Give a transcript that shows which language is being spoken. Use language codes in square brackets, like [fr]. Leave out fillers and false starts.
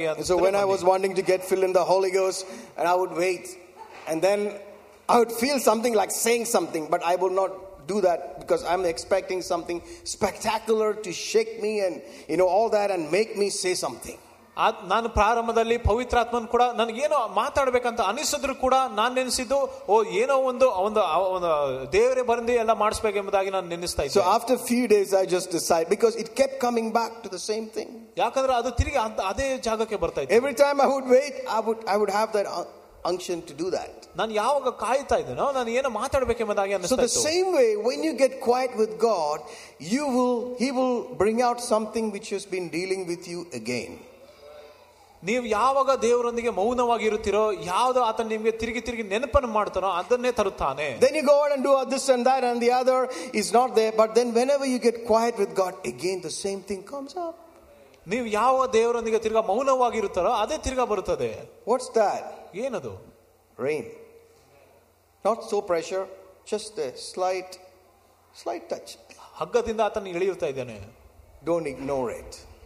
[en] So when I was wanting to get filled in the Holy Ghost, and I would wait, and then I would feel something like saying something, but I would not do that because I'm expecting something spectacular to shake me and you know all that and make me say something. [kn] ನಾನ್ ಪ್ರಾರಂಭದಲ್ಲಿ ಪವಿತ್ರಾತ್ಮನ್ ಕೂಡ ನನಗೇನೋ ಮಾತಾಡ್ಬೇಕಂತ ಅನಿಸಿದ್ರು ಕೂಡ ನಾನ್ ನೆನೆಸಿದ್ದು ಓ ಏನೋ ಒಂದು ಒಂದು ದೇವರೇ ಬರೆದಿ ಎಲ್ಲ ಮಾಡಿಸ್ಬೇಕೆಂಬುದಾಗಿ ನಾನು ನೆನೆಸ್ತಾ ಇದ್ದೆ. [en] So after few days I just decided because it kept coming back to the same thing. [kn] ಯಾಕಂದ್ರೆ ಅದು ತಿರುಗಿ ಅದೇ ಜಾಗಕ್ಕೆ ಬರ್ತಾ ಇತ್ತು. [en] Every time I would wait, I would have that unction to do that. [kn] ನಾನು ಯಾವಾಗ ಕಾಯ್ತಾ ಇದ್ದೇನೋ ನಾನು ಏನೋ ಮಾತಾಡ್ಬೇಕೆಂಬುದಾಗಿ ಅನಿಸ್ತಾ ಇತ್ತು. [en] So the same way when you get quiet with God, he will bring out something which has been dealing with you again. [kn] ನೀವು ಯಾವಾಗ ದೇವರೊಂದಿಗೆ ಮೌನವಾಗಿ ಇರುತ್ತೀರೋ, ಯಾವುದೋ ಆತನ ನಿಮಗೆ ತಿರುಗಿ ತಿರುಗಿ ನೆನಪನ್ನು ಮಾಡ್ತಾನೋ ಅದನ್ನೇ ತರುತ್ತಾನೆ. [en] Then you go out and do this and that and the other is not there, but then whenever you get quiet with God again, the same thing comes up. [kn] ನೀವು ಯಾವಾಗ ದೇವರೊಂದಿಗೆ ತಿರುಗಾ ಮೌನವಾಗಿ ಇರುತ್ತಾರೋ ಅದೇ ತಿರುಗಾ ಬರುತ್ತದೆ. [en] What's that? [kn] ಏನದು? [en] Rain. Not so pressure, just a slight touch. [kn] ಹಗ್ಗದಿಂದ ಆತನ ಇಳಿಯುತ್ತಾ ಇದ್ದಾನೆ. [en] Don't ignore it.